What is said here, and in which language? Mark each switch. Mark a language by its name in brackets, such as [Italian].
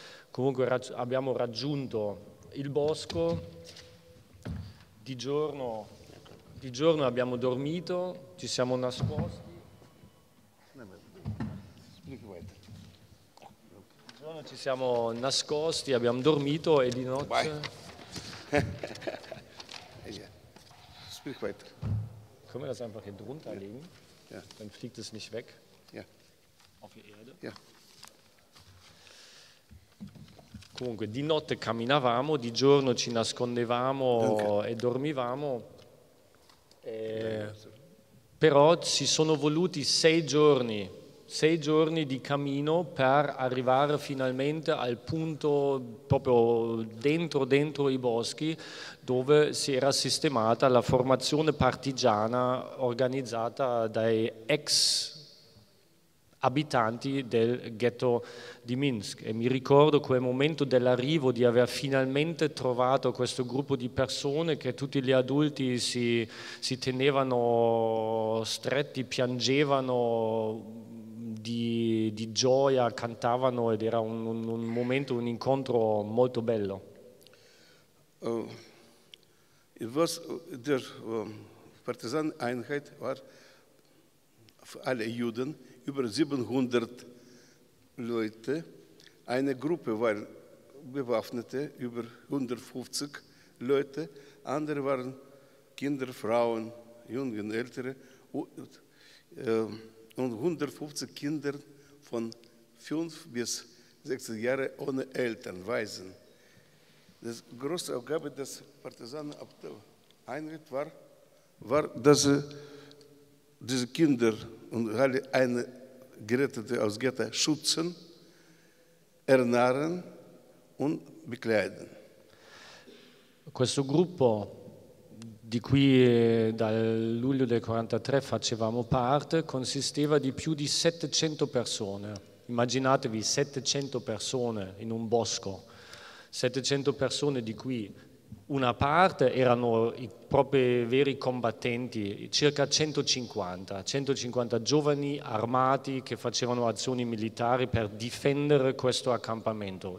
[Italian] Comunque abbiamo raggiunto il bosco, di giorno abbiamo dormito, ci siamo nascosti. Ci siamo nascosti, abbiamo dormito e di notte. [German] Können wir das einfach hier drunter legen? Ja. Dann fliegt es nicht weg. Ja. Auf die Erde? Ja. [Italian] Comunque, di notte camminavamo, di giorno ci nascondevamo e dormivamo. Però ci sono voluti sei giorni di cammino per arrivare finalmente al punto proprio dentro i boschi dove si era sistemata la formazione partigiana organizzata dai ex abitanti del ghetto di Minsk. E mi ricordo quel momento dell'arrivo, di aver finalmente trovato questo gruppo di persone, che tutti gli adulti si tenevano stretti, piangevano di gioia, cantavano, ed era un momento, un incontro molto bello. [German] It was der Partisan Einheit war für alle Juden über 700 Leute. Eine Gruppe war bewaffnete über 150 Leute, andere waren Kinder, Frauen, junge, ältere. Und 150 Kinder von 5 bis 16 Jahren ohne Eltern, Waisen. Die große Aufgabe des Partisanen-Einheit war, dass sie diese Kinder und alle eine Gerettete aus Ghetto schützen, ernähren und bekleiden. [Italian] Questo gruppo di cui dal luglio del 43 facevamo parte, consisteva di più di 700 persone. Immaginatevi 700 persone in un bosco, 700 persone di cui una parte erano i propri veri combattenti, circa 150 giovani armati che facevano azioni militari per difendere questo accampamento.